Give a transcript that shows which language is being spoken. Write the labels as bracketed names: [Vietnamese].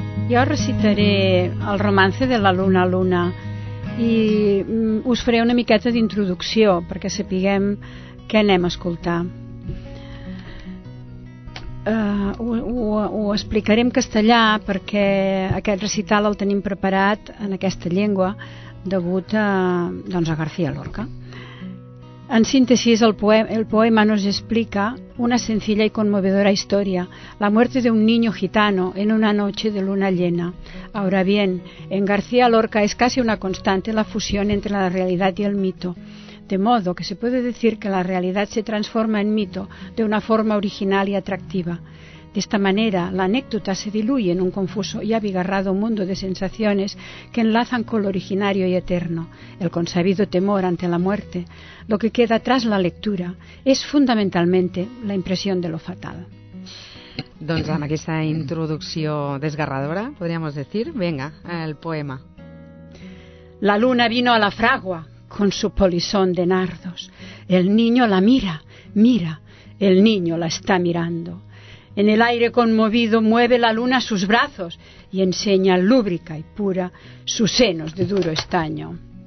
[Catalan] Jo recitaré el romance de la luna a luna i us faré una miqueta d'introducció perquè sapiguem què anem a escoltar. Ho explicaré en castellà perquè aquest recital el tenim preparat en aquesta llengua degut a García Lorca. [Spanish] En síntesi, el poema nos explica una sencilla y conmovedora historia, la muerte de un niño gitano en una noche de luna llena. Ahora bien, en García Lorca es casi una constante la fusión entre la realidad y el mito, de modo que se puede decir que la realidad se transforma en mito de una forma original y atractiva. De esta manera, la anécdota se diluye en un confuso y abigarrado mundo de sensaciones que enlazan con lo originario y eterno, el consabido temor ante la muerte. Lo que queda tras la lectura es fundamentalmente la impresión de lo fatal. [Catalan] Doncs amb aquesta introducció desgarradora, [Spanish] podríamos decir, venga, el poema. La luna vino a la fragua con su polizón de nardos. El niño la mira, mira, el niño la está mirando. En el aire conmovido mueve la luna sus brazos y enseña lúbrica y pura sus senos de duro estaño.